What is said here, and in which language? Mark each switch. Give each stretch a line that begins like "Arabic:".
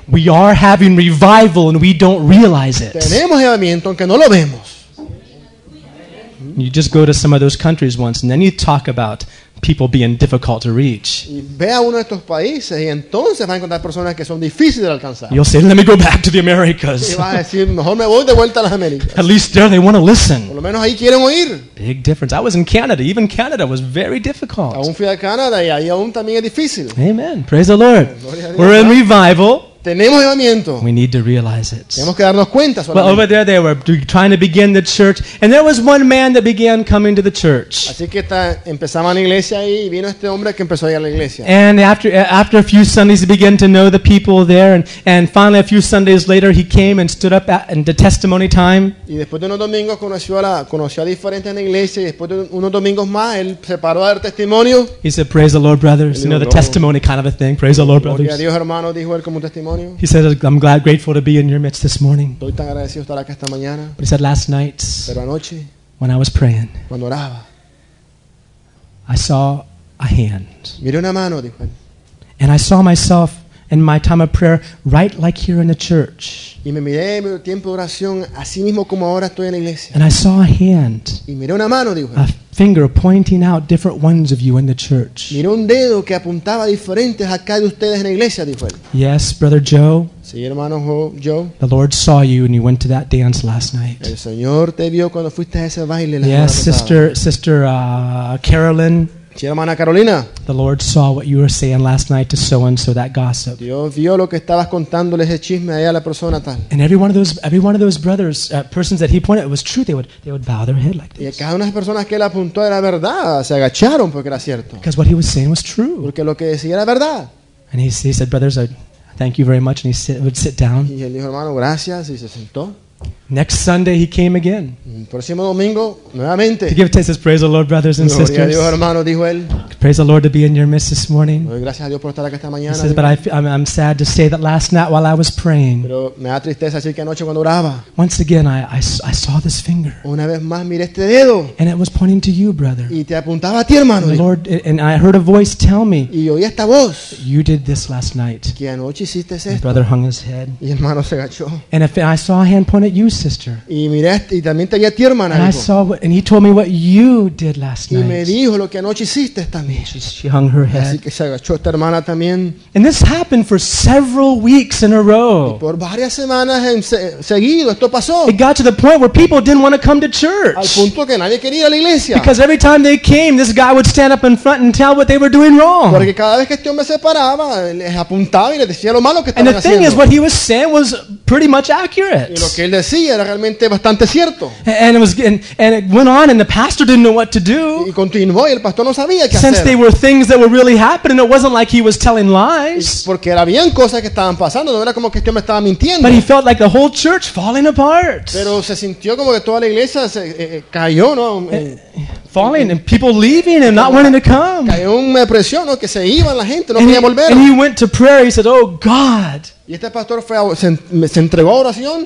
English: We are having revival and we don't realize it.
Spanish: Tenemos levantamiento aunque no lo vemos.
English: You just go to some of those countries once, and then you talk about people being difficult to reach.
Spanish: Ve a uno de estos países, y entonces va a encontrar personas que son difíciles de alcanzar.
English: You'll say, "Let me go back to the Americas."
Spanish: Y vas a decir, mejor me voy de vuelta a las Américas.
English: At least there they want to listen.
Spanish: Por lo menos ahí quieren oír.
English: Big difference. I was in Canada. Even Canada was very difficult.
Spanish: Aún fui a Canadá y ahí aún también es difícil.
English: Amen. Praise the Lord. We're in revival.
Spanish: Tenemos llamamiento.
English: We need to realize it.
Spanish: Tenemos que darnos cuenta solamente.
English: Well, over there they were trying to begin the church, and there was one man that began coming to the church.
Spanish: Así que empezaban la iglesia ahí, y vino este hombre que empezó a ir a la iglesia.
English: And after a few Sundays, he began to know the people there, and finally a few Sundays later, he came and stood up in the testimony time.
Spanish: Y después de unos domingos conoció a diferentes en la iglesia, y después de unos domingos más, él se paró a dar testimonio.
English: He said, "Praise the Lord, brothers."
Spanish: Dijo,
English: you know, the testimony kind of a thing. Praise the Lord, brothers.
Spanish: Gloria a Dios, hermano, dijo él como un testimonio.
English: He said, "I'm glad, grateful to be in your midst this morning."
Spanish: Estoy tan agradecido estar acá esta mañana.
English: But he said, "Last night,
Spanish: pero anoche,
English: when I was praying,
Spanish: cuando oraba,
English: I saw a hand.
Spanish: Miré una mano, dijo él.
English: And I saw myself in my time of prayer, right like here in the church.
Spanish: Y me miré en mi tiempo de oración, así mismo como ahora estoy en la iglesia.
English: And I saw a hand.
Spanish: Y miré una mano, dijo él.
English: A finger pointing out different ones of you in the church.
Spanish: Miré un dedo que apuntaba diferentes acá de ustedes en la iglesia, dijo él.
English: Yes, brother Joe.
Spanish: Sí, hermano Joe.
English: The Lord saw you and you went to that dance last night.
Spanish: El Señor te vio cuando fuiste a ese baile.
English: Yes, sister Carolyn.
Spanish: Sí, hermana Carolina.
English: The Lord saw what you were saying last night to so and so, that gossip.
Spanish: Dios vio lo que estabas contándole ese chisme ahí a la persona tal.
English: And every one of those brothers, persons that he pointed, it was true. They would bow their head like this.
Spanish: Y cada una de las personas que él apuntó era verdad. Se agacharon porque era cierto.
English: Because what he was saying was true.
Spanish: Porque lo que decía era verdad.
English: And he said, "Brothers, thank you very much." And he would sit down.
Spanish: Y él dijo, hermano, gracias, y se sentó.
English: Next Sunday he came again.
Spanish: Próximo domingo, nuevamente.
English: To give taste, praise the Lord, brothers and
Spanish: Gloria
English: sisters.
Spanish: A Dios, hermano, dijo él.
English: Praise the Lord to be in your midst this morning.
Spanish: Gracias a Dios por estar acá esta mañana,
English: he says, but I'm sad to say that last night while I was praying.
Spanish: Pero me da tristeza decir que anoche cuando oraba,
English: once again I saw this finger.
Spanish: Una vez más miré este dedo.
English: And it was pointing to you, brother.
Spanish: Y te apuntaba a ti, hermano.
English: And Lord, and I heard a voice tell me.
Spanish: Y oí esta voz.
English: You did this last night.
Spanish: Que anoche hiciste esto.
English: My brother hung his head.
Spanish: Y hermano se agachó.
English: And if I saw a hand point at you, sister.
Spanish: Y miré y también te vi a ti, hermana.
English: And I saw what, and he told me what you did last
Spanish: y Y me dijo lo que anoche hiciste esta.
English: She hung her head.
Spanish: Así que se agachó esta hermana también.
English: And this happened for several weeks in a row.
Spanish: Y por varias semanas en seguido esto pasó.
English: It got to the point where people didn't want to come to church.
Spanish: Al punto que nadie quería ir a la iglesia.
English: Because every time they came, this guy would stand up in front and tell what they were doing wrong.
Spanish: Porque cada vez que este hombre se paraba, les apuntaba y les decía lo malo que estaban haciendo.
English: And the thing is, what he was saying was pretty much accurate.
Spanish: Y lo que él decía era realmente bastante cierto.
English: And it was and it went on, and the pastor didn't know what to do.
Spanish: Y continuó y el pastor no sabía qué hacer.
English: Since they were things that were really happening, it wasn't like he was telling lies.
Spanish: Porque habían cosas que estaban pasando, no era como que este hombre estaba mintiendo.
English: But he felt like the whole church falling apart.
Spanish: Pero se sintió como que toda la iglesia se cayó, ¿no?
English: Falling and people leaving and not wanting to come.
Spanish: Cayó una presión, ¿no? Que se iban la gente, no querían volver.
English: And he went to prayer. He said, "Oh God."
Spanish: Y este pastor fue se entregó a oración.